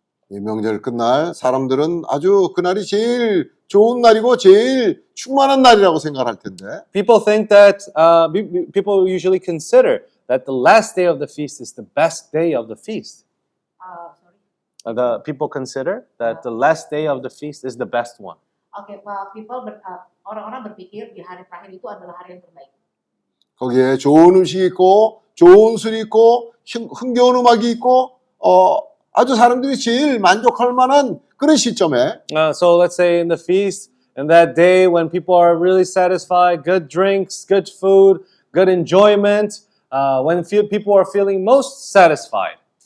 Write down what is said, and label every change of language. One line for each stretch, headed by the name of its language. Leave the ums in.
Korean: 이 명절 끝날 사람들은 아주 그날이 제일 좋은 날이고 제일 충만한 날이라고 생각할 텐데.
English: People think that uh, people usually consider that the last day of the feast is the best day of the feast. Uh, -huh. uh the people consider that uh -huh. the last day of the feast is the best one. Okay, well, people,
Indonesian: orang-orang berpikir di hari terakhir itu adalah hari uh, yang terbaik.
Korean: 거기에 좋은 음식 좋은 술 흥겨운 음악이 있고, 어, 아주 사람들이 제일 만족할 그런 시점에.
English: so let's say in the feast, in that day when people are really satisfied, good drinks, good food, good enjoyment. uh, when feel, people are feeling most satisfied.